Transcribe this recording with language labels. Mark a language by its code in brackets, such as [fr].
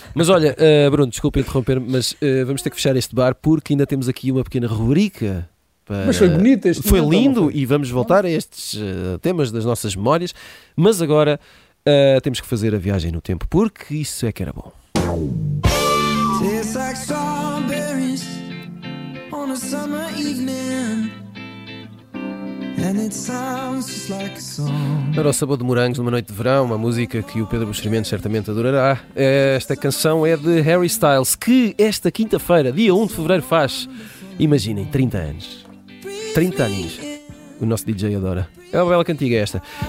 [pt] Mas olha, Bruno, desculpa interromper, mas vamos ter que fechar este bar porque ainda temos aqui uma pequena rubrica. Mas foi bonito este. Foi lindo e vamos voltar a estes temas das nossas memórias. Mas agora temos que fazer a viagem no tempo porque isso é que era bom. [en] It's like strawberries on a summer evening, and it sounds just like a song. [pt] Era o sabor de morangos numa noite de verão, uma música que o Pedro Buxerimento certamente adorará. Esta canção é de Harry Styles, que esta quinta-feira, dia 1 de fevereiro, faz, imaginem, 30 anos. 30 aninhos. O nosso DJ adora. É uma bela cantiga esta.